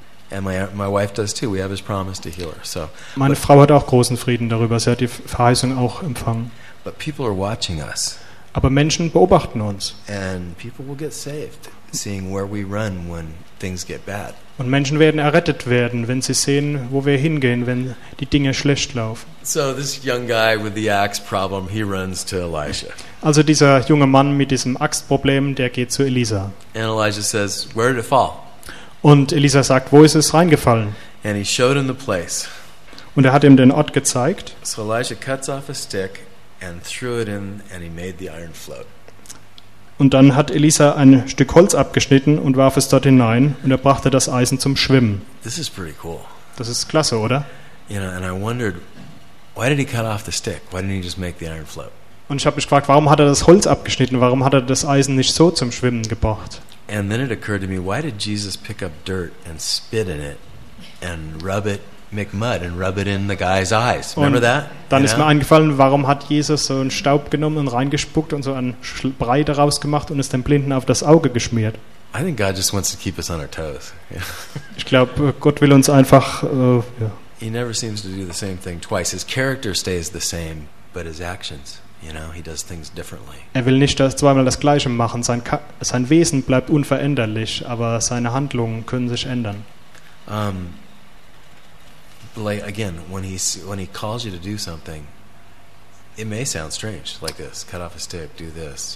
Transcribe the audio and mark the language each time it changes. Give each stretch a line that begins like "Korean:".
English: And my wife does too. We have his promise to heal her. So
German: meine Frau hat auch großen Frieden darüber. Sie hat die Verheißung auch empfangen.
English: But people are watching us.
German: Aber Menschen beobachten uns.
English: And people will get saved, seeing where we run when things get bad.
German: Und Menschen werden errettet werden, wenn sie sehen, wo wir hingehen, wenn die Dinge schlecht laufen.
English: So this young guy with the axe problem, he runs to Elijah.
German: Also dieser junge Mann mit diesem Axtproblem, der geht zu Elisa.
English: And Elijah says, "Where did it fall?"
German: Und Elisa sagt, wo ist es reingefallen?
English: And he showed him the place.
German: Und er hat ihm den Ort gezeigt.
English: So Elijah cuts off a stick and threw it in and he made the iron float.
German: Und dann hat Elisa ein Stück Holz abgeschnitten und warf es dort hinein und er brachte das Eisen zum Schwimmen.
English: This is pretty cool.
German: Das ist klasse, oder?
English: You know, and I wondered, why did he cut off the stick? Why didn't he just make the iron float?
German: Und ich habe mich gefragt, warum hat er das Holz abgeschnitten? Warum hat er das Eisen nicht so zum Schwimmen gebracht?
English: And then it occurred to me, why did Jesus pick up dirt and spit in it and rub it, make mud and rub it in the guy's eyes? Remember that?
German: Dann ist mir eingefallen, warum hat Jesus so einen Staub genommen und reingespuckt und so einen Brei daraus gemacht und es dem Blinden auf das Auge geschmiert?
English: I think God just wants to keep us on our toes.
German: Ich glaube, Gott will uns einfach.
English: He never seems to do the same thing twice. His character stays the same, but his actions. You know, he does things differently.
German: Er will nicht das zweimal das Gleiche machen. Sein Wesen bleibt unveränderlich, aber seine Handlungen können sich ändern.
English: Like again, when he calls you to do something, it may sound strange, like this: cut off a stick, do this.